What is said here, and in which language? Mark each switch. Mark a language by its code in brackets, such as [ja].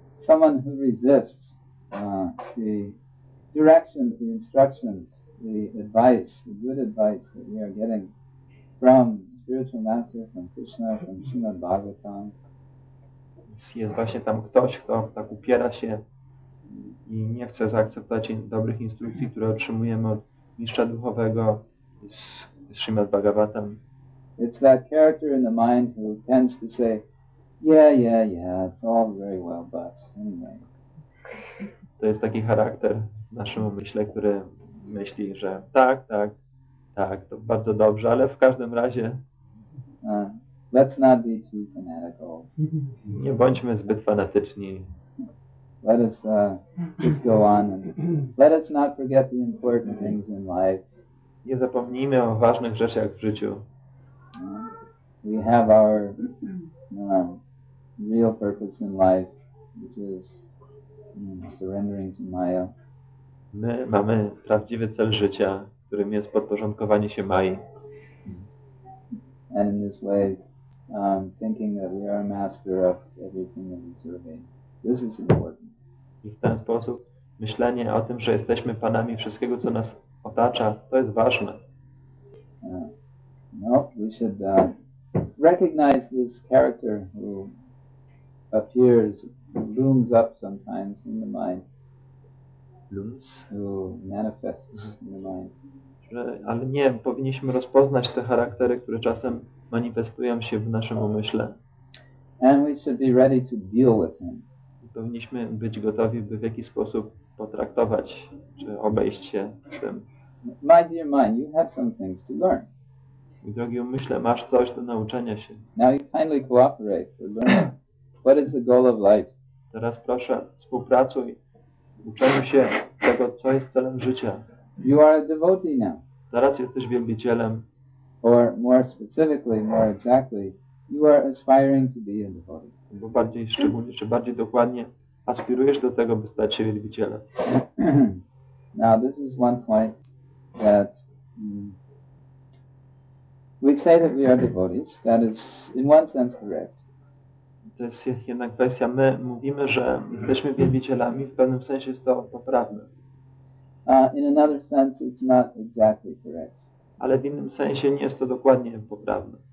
[en] Someone who resists the directions, the instructions, the advice, the good advice that we are getting from spiritual master, from Krishna, from Srimad Bhagavatam. [pl] Jest właśnie tam ktoś, kto tak upiera się i nie chce zaakceptować dobrych instrukcji, które otrzymujemy od mistrza duchowego z Srimad Bhagavatam. [en] It's that character in the mind who tends to say, yeah, yeah, yeah, it's all very well, but anyway. [pl] To jest taki charakter w naszym umyśle, który myśli, że tak, tak, tak, to bardzo dobrze, ale w każdym razie [en] let's not be too fanatical. [pl] Nie bądźmy zbyt fanatyczni. [en] Let us just go on and let us not forget the important things in life. [pl] Nie zapomnijmy o ważnych rzeczach w życiu. [en] We have our real purpose in life, which is surrendering to Maya. [pl] My mamy prawdziwy cel życia, którym jest podporządkowanie się Mai. [en] And in this way, thinking that we are master of everything that we survey. This is important. [pl] I w ten sposób myślenie o tym, że jesteśmy panami wszystkiego, co nas otacza, to jest ważne. [en] No, we should recognize this character who appears, looms up sometimes in the mind. Looms? Who manifests in the mind. [pl] Że, ale nie, powinniśmy rozpoznać te charaktery, które czasem manifestują się w naszym umyśle. [en] And we should be ready to deal with him. [pl] Powinniśmy być gotowi, by w jakiś sposób potraktować, czy obejść się z tym. [en] My dear mind, you have some things to learn. [pl] I drogi umyśle, masz coś do nauczenia się. [en] Now you kindly cooperate for learning. What is the goal of life? [pl] Teraz proszę, współpracuj. Uczeniu się tego, co jest celem życia. [en] You are a devotee now. [pl] Teraz jesteś wielbicielem. [en] Or more specifically, more exactly, you are aspiring to be a devotee. [pl] Bo bardziej szczególnie, czy bardziej dokładnie aspirujesz do tego, by stać się wielbicielem. [en] Now this is one point that we say that we are devotees. That is in one sense correct. [pl] To jest jedna kwestia. My mówimy, że jesteśmy wielbicielami. W pewnym sensie jest to prawda. [en] In another sense it's not exactly correct. [pl] Ale w innym sensie nie jest to dokładnie poprawne.